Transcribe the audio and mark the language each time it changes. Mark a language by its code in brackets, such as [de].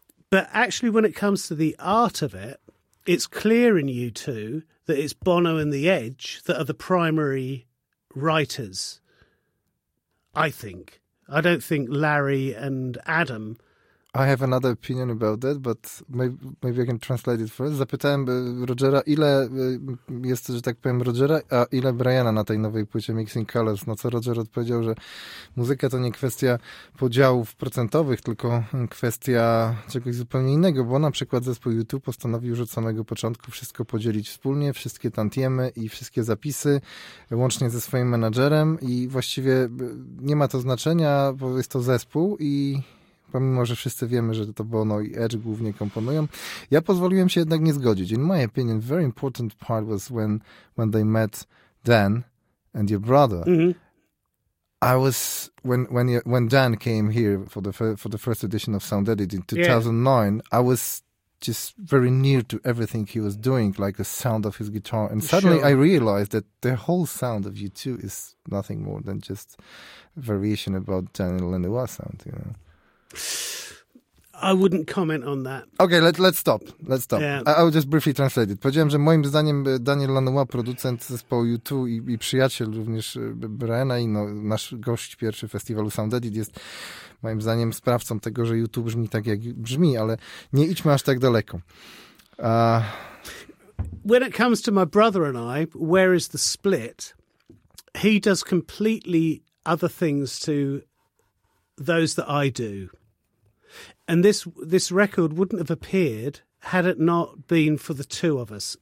[en] But actually, when it comes to the art of it, it's clear in U2 that it's Bono and The Edge that are the primary writers, I think. I don't think Larry and Adam... I have another opinion about that, but maybe I can translate it first. [pl] Zapytałem Rogera, ile jest, że tak powiem, Rogera, a ile Briana na tej nowej płycie Mixing Colors. No co Roger odpowiedział, że muzyka to nie kwestia podziałów procentowych, tylko kwestia czegoś zupełnie innego, bo na przykład zespół YouTube postanowił już od samego początku wszystko podzielić wspólnie, wszystkie tantiemy i wszystkie zapisy, łącznie ze swoim menadżerem i właściwie nie ma to znaczenia, bo jest to zespół i... Pomimo, że wszyscy wiemy, że to Bono i Edge głównie komponują. Ja pozwoliłem się jednak nie zgodzić. [en] In my opinion, very important part was when they met Dan and your brother. Mm-hmm. I was when Dan came here for the first edition of Sound Edit in 2009, yeah. I was just very near to everything he was doing, like the sound of his guitar. And suddenly sure. I realized that the whole sound of U2 is nothing more than just variation about Dan and Lenoir sound, you know. I wouldn't comment on that. Okay, let's stop. Yeah. I'll just briefly translate it. [pl] Powiedziałem, że moim zdaniem Daniel Lanois, producent zespołu U2 i przyjaciel również Briana i no, nasz gość pierwszy festiwalu Sound Edit jest moim zdaniem sprawcą tego, że U2 brzmi tak, jak brzmi, ale nie idźmy aż tak daleko. [en] When it comes to my brother and I, where is the split? He does completely other things to those that I do. And this record wouldn't have appeared had it not been for the two of us.